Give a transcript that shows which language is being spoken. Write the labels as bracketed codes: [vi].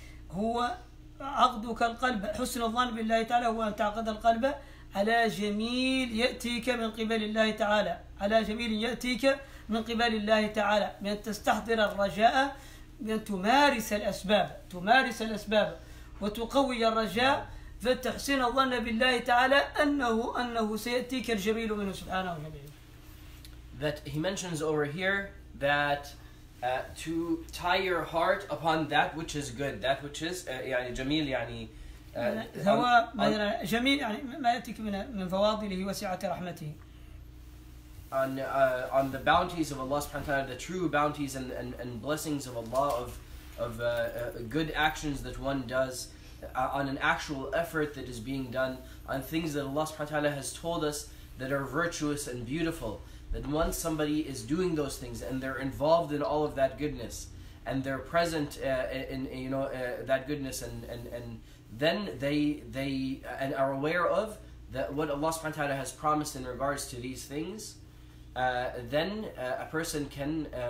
[ar] هو عقدك القلب حسن الظن بالله تعالى هو أن تعقد القلب على جميل يأتيك من قبل الله تعالى على جميل يأتيك من قبل الله تعالى من تستحضر الرجاء من تمارس الأسباب وتقوي الرجاء فتحسين الظن بالله تعالى أنه سيأتيك الجميل منه سبحانه وتعالى. [en] That he mentions over here that to tie your heart upon that which is good, that which is [ar] يعني جميل يعني. هو مثلا جميل يعني ما يأتيك من فواضله وسعة رحمته. [en] On the bounties of Allah [ar] سبحانه وتعالى, [en] the true bounties and blessings of Allah of good actions that one does. On an actual effort that is being done, on things that Allah subhanahu wa ta'ala has told us that are virtuous and beautiful, that once somebody is doing those things and they're involved in all of that goodness and they're present in that goodness and then they are aware of that what Allah subhanahu wa ta'ala has promised in regards to these things, then a person can